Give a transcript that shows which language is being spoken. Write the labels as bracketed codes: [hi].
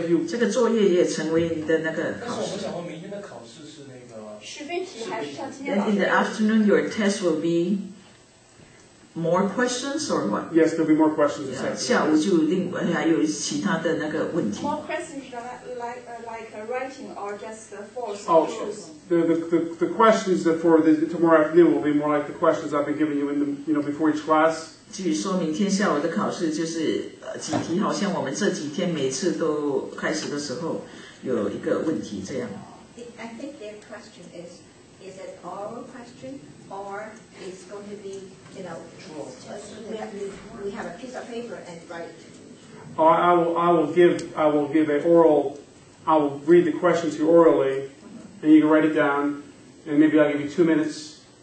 [en] In the afternoon, your test will be more questions or what? Yes, there will be more questions. Yeah, exactly. [zh] 下午就另外, [en] more questions like writing or just four solutions. The questions that for the tomorrow afternoon will be more like the questions I've been giving you in the before each class. [zh] 据说明天下午的考试就是几题，好像我们这几天每次都开始的时候有一个问题这样。 [en] I think their question is it oral question, or it's going to be, you know, draw. We have a piece of paper and write. I will read the question to you orally, and you can write it down, and maybe I'll give you 2 minutes